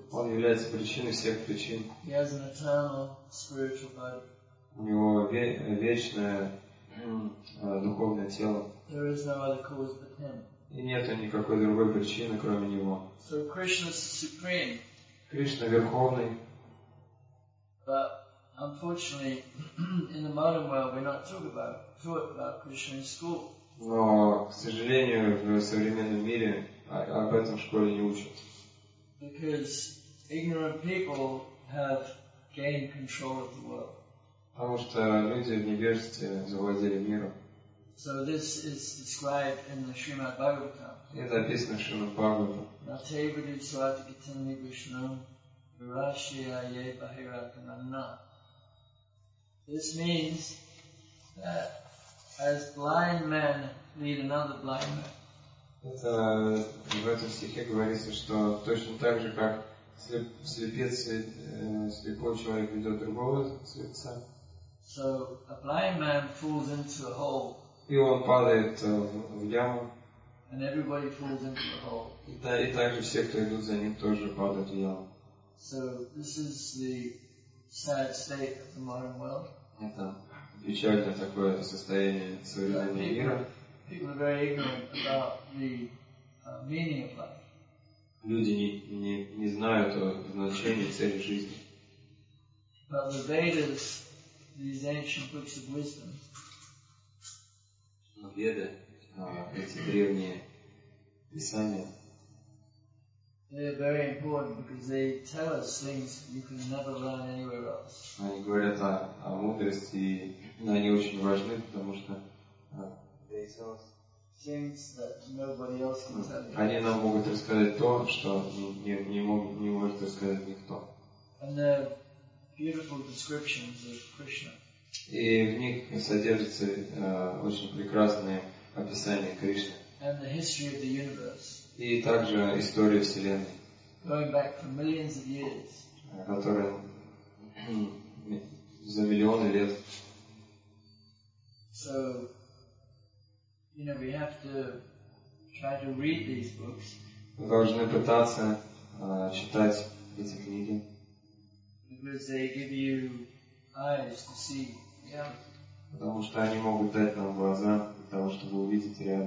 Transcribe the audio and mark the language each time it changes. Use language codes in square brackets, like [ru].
[ru] Он является причиной всех причин. [en] He has an eternal spiritual body. [ru] У него вечное духовное тело. [en] There is no other cause but him. [ru] И нет никакой другой причины, кроме Него. [en] So Krishna is supreme. [ru] Кришна верховный. [en] But unfortunately, in the modern world, we're not taught about Krishna in school. [ru] Но, к сожалению, в современном мире об этом в школе не учат. [en] Because ignorant people have gained control of the world. [ru] Потому что люди в невежестве завладели миром. [en] So this is described in the Srimad Bhagavatam. [ru] Это описано в Шримад Бхагаватам. [sa] Натейбуди свати китинни вишну вирашия е бахиракананна. [en] This means that as blind men lead another blind man. [ru] Это в этом стихе говорится, что точно так же, как слепой человек ведет другого слепца. [en] So a blind man falls into a hole. [ru] И он падает в яму. [en] And everybody falls into the hole. [ru] И также все, кто идут за ним, тоже падают в яму. [en] So this is the sad state of the modern world. [ru] Это печальное такое состояние современного мира. [en] People are very ignorant about the meaning of life. [ru] Люди не знают о значении цели жизни. [en] But the Vedas, these ancient books of wisdom. [ru] Но Веды, эти древние писания, [en] they're very important because they tell us things you can never learn anywhere else. [ru] Они говорят о мудрости, но они очень важны, потому что [en] they tell us things that nobody else can tell you. [ru] Они нам могут рассказать то, что не может рассказать никто. [en] And they're beautiful descriptions of Krishna. [ru] И в них содержатся очень прекрасные описания Кришны. [en] And the history of the universe. [ru] И также история Вселенной. [en] Going back for millions of years. [ru] Которая за миллионы лет. [en] So, you know, we have to try to read these books. [ru] Мы должны пытаться читать эти книги. [en] Because they give you eyes to see. [ru] Потому что они могут дать нам глаза для того, чтобы увидеть